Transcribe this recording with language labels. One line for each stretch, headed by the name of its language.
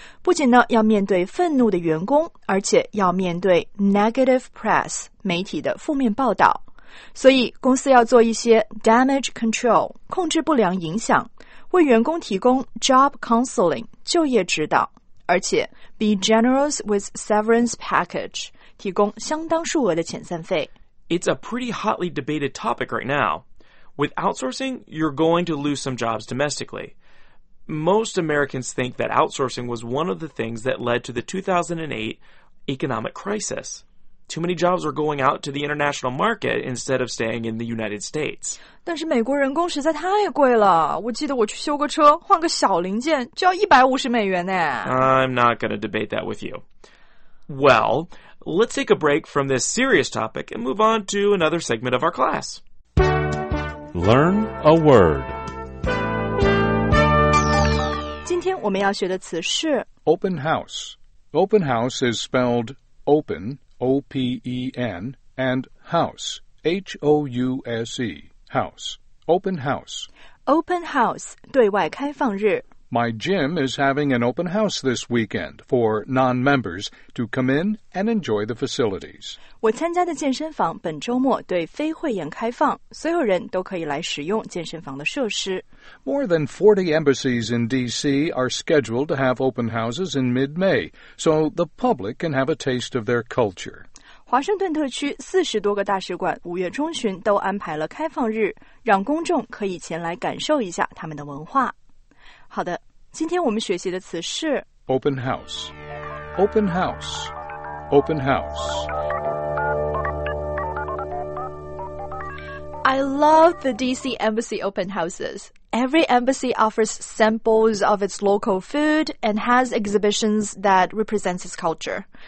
Chinese: 不仅呢要面对愤怒的员工，而且要面对
English: negative press，
Chinese: 媒体的负面报道。所以公司要做一些
English: damage control，
Chinese: 控制不良影响，为员工提供
English: job counseling，
Chinese: 就业指导，而且
English: be generous with severance package，
Chinese: 提供相当数额的遣散费。
English: It's a pretty hotly debated topic right now. With outsourcing, you're going to lose some jobs domestically. Most Americans think that outsourcing was one of the things that led to the 2008 economic crisis. Too many jobs were going out to the international market instead of staying in the United States.
Chinese: 但是美国人工实在太贵了。我记得我去修个车，换个小零件就要150美元呢。
English: I'm not going to debate that with you. Well, let's take a break from this serious topic and move on to another segment of our class. Learn a word.
Chinese: 今天我们要学的词是
English: open house. Open house is spelled open, O-P-E-N, and house, H-O-U-S-E, house. Open house. Open house,
Chinese: 对外开放日。
English: My gym is having an open house this weekend for non-members to come in and enjoy the facilities.
Chinese: 我参加的健身房本周末对非会员开放，所有人都可以来使用健身房的设施。
English: More than 40 embassies in D.C. are scheduled to have open houses in mid-May, so the public can have a taste of their culture.
Chinese: 华盛顿特区40多个大使馆5月中旬都安排了开放日，让公众可以前来感受一下他们的文化。好的，今天我们学习的词是
English: open house, open house, open house. I love the DC embassy open houses. Every embassy offers samples of its local food and has exhibitions that represents its culture.